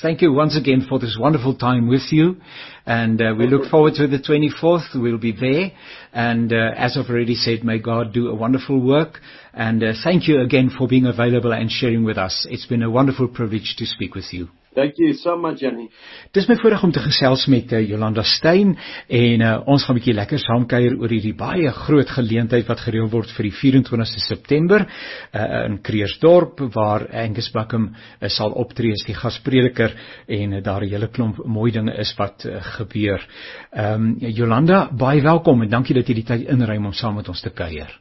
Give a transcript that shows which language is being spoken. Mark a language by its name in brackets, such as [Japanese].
[English] Thank you once again for this wonderful time with you. And we look forward to the 24th. We'll be there. And as I've already said, may God do a wonderful work. And thank you again for being available and sharing with us. It's been a wonderful privilege to speak with you. Thank you so much, Jenny. [Afrikaans] Dit is my voorreg om te gesels met Jolanda Steyn. En ons gaan 'n bietjie lekker saamkuier oor hierdie baie groot geleentheid wat gereël word vir die 24ste September in Kreersdorp, waar Angus Buckham sal optree as die gasprediker en daar 'n hele klomp mooi dinge is wat gebeur. Jolanda, baie welkom en dankie dat jy die tyd inruim om saam met ons te kuier.